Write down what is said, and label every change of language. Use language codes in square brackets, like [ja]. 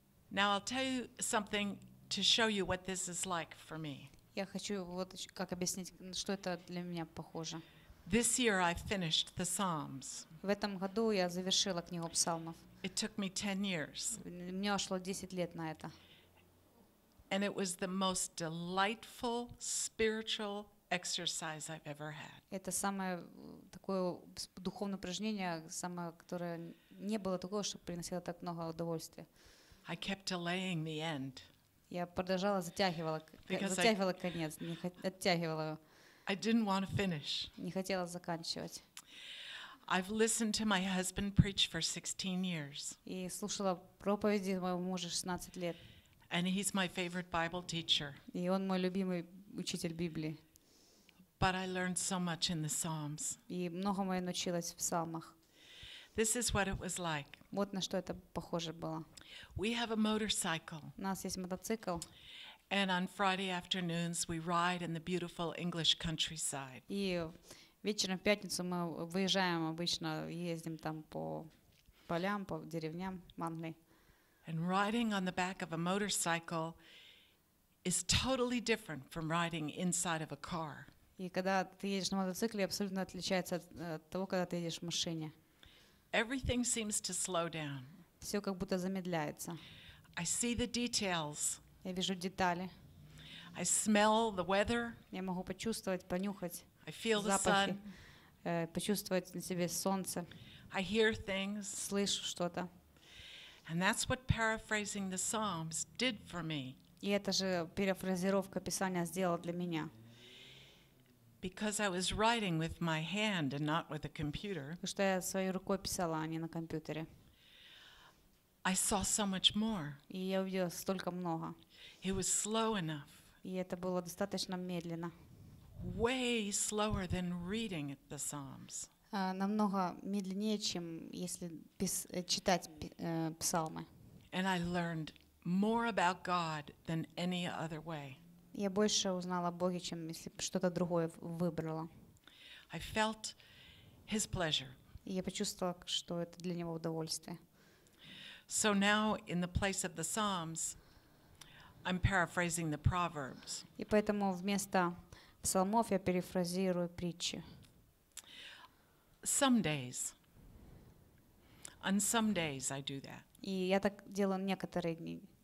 [en] Now I'll tell you something to show you what this is like for me. [ru] Я хочу вот как объяснить, что это для меня похоже. [en] This year I finished the Psalms. [ru] В этом году я завершила книгу псалмов. [en] It took me 10 years. [ru] Мне ушло 10 лет на это. [en] And it was the most delightful spiritual exercise I've ever had. [ru] Это самое такое духовное упражнение, самое, которое не было такого, что приносило так много удовольствия. [en] I kept delaying the end. [ru] Я продолжала затягивала конец, не оттягивала. [en] I didn't want to finish. [ru] Не хотела заканчивать. [en] I've listened to my husband preach for 16 years. [ru] И слушала проповеди моего мужа 16 лет. [en] And he's my favorite Bible teacher. [ru] И он мой любимый учитель Библии. [en] But I learned so much in the Psalms. [ru] И многому я научилась в псалмах. [en] This is what it was like. [ru] Вот на что это похоже было. [en] We have a motorcycle. [ru] У нас есть мотоцикл. [en] And on Friday afternoons we ride in the beautiful English countryside. [ru] И вечером в пятницу мы выезжаем обычно, ездим там по полям, по деревням в Англии. [en] And riding on the back of a motorcycle is totally different from riding inside of a car. [ru] И когда ты едешь на мотоцикле, абсолютно отличается от того, когда ты едешь в машине. [en] Everything seems to slow down. [ru] Все как будто замедляется. [en] I see the details. [ru] Я вижу детали. [en] I smell the weather. [ru] Я могу почувствовать, понюхать. [en] I feel [ru] запахи, [en] the sun. [ru] Почувствовать на себе солнце. [en] I hear things. [ru] Слышу что-то. [en] And that's what paraphrasing the Psalms did for me. [ru] И это же перефразировка Писания сделала для меня. [en] Because I was writing with my hand and not with a computer. [ru] Потому что я своей рукой писала, а не на компьютере. [en] I saw so much more. [ru] И я увидела столько много. [en] It was slow enough. [ru] И это было достаточно медленно. [en] Way slower than reading the Psalms. [ru] Намного медленнее, чем если читать псалмы. [en] And I learned more about God than any other way. [ru] Я больше узнала о Боге, чем если бы что-то другое выбрала. [en] I felt his pleasure. [ru] И я почувствовала, что это для него удовольствие. [en] So now in the place of the Psalms, I'm paraphrasing the Proverbs. [ru] И поэтому вместо псалмов я перефразирую притчи. [en] Some days. On some days I do that. [ru] И я так делаю некоторые дни.